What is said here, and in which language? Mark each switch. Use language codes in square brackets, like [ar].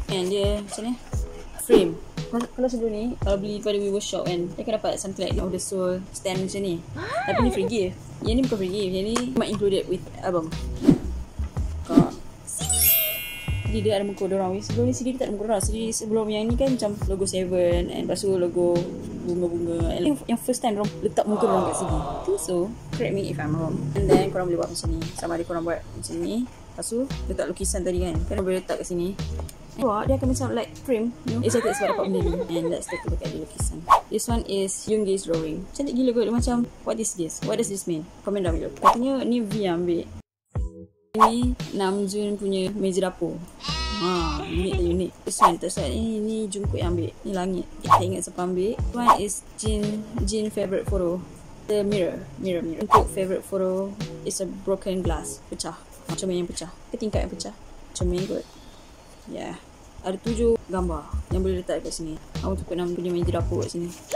[ms] And dia macam ni frame. Kalau sebelum ni kalau beli pada Weaver Shop kan, dia akan dapat [en] something like of the soul stand [ms] macam ni. Tapi ni free gift. Yang ni bukan free gift. Yang ni memang [en] included with album. [ms] Kak, jadi dia ada muka dorang. Sebelum ni CD dia tak ada muka dorang. Jadi sebelum yang ni kan macam logo Seven. And lepas tu logo bunga-bunga. Yang first time dorang letak muka dorang kat CD. [en] So correct me if I'm wrong. [ms] And then korang boleh buat macam ni. Sama ada korang buat macam ni. Lepas tu letak lukisan tadi kan. Kan boleh letak kat sini. Wah, dia akan macam like frame. Excited sebab dapat benda ni. [en] And let's take a look at the [ms] lukisan. [en] This one is Yoongi's drawing. [ms] Cantik gila kot. Dia macam, [en] what is this? What does this mean? Comment down below. [ms] Katanya ni V yang ambil. Ini Namjoon punya meja dapur. Haa, unik tak unik. [en] This one, that's right. [ms] Ini Jungkook yang ambil. Ni langit. Kita ingat siapa ambil. [en] This one is Jin favorite photo. The mirror. Jungkook favorite photo is a broken glass. [ms] Pecah. Cermin yang pecah. Ketingkat yang pecah. Cermin kot. Yeah. Ada 7 gambar yang boleh letak kat sini. Aku tukar nama punya meja dapur kat sini.